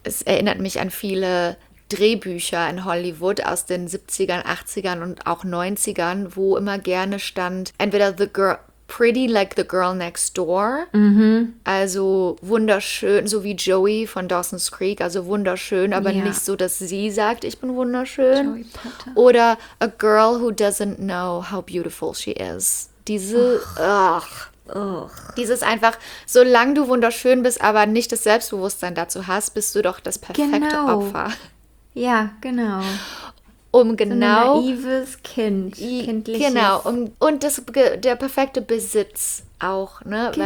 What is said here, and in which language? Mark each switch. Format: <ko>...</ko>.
<de>Es erinnert mich an viele Drehbücher in Hollywood aus den 70ern, 80ern und auch 90ern, wo immer gerne stand, entweder</de> <en>the girl, pretty like the girl next door,</en> <de>also wunderschön, so wie Joey von Dawson's Creek, also wunderschön, aber nicht so, dass sie sagt, ich bin wunderschön. Joey Potter. Oder</de> <en>a girl who doesn't know how beautiful she is.</en> <de>Diese, dieses einfach, solange du wunderschön bist, aber nicht das Selbstbewusstsein dazu hast, bist du doch das perfekte Opfer. Ja, genau. Um genau... So ein naives Kind, kindliches. Genau, und das, der perfekte Besitz auch, ne? Genau.</de>